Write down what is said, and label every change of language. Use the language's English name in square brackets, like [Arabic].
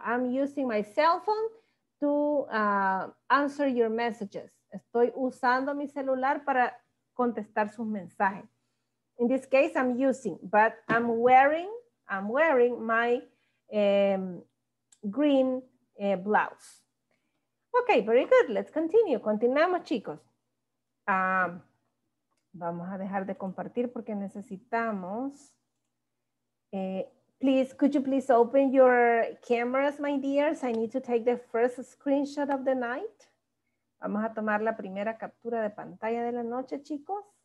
[English] I'm using my cell phone to answer your messages. [Spanish] Estoy usando mi celular para contestar sus mensajes. [English] In this case, I'm using, but I'm wearing my green blouse. Okay, very good. Let's continue. [Spanish] Continuamos, chicos. Vamos a dejar de compartir porque necesitamos. [English] Please, could you please open your cameras, my dears? I need to take the first screenshot of the night. [Spanish] Vamos a tomar la primera captura de pantalla de la noche, chicos.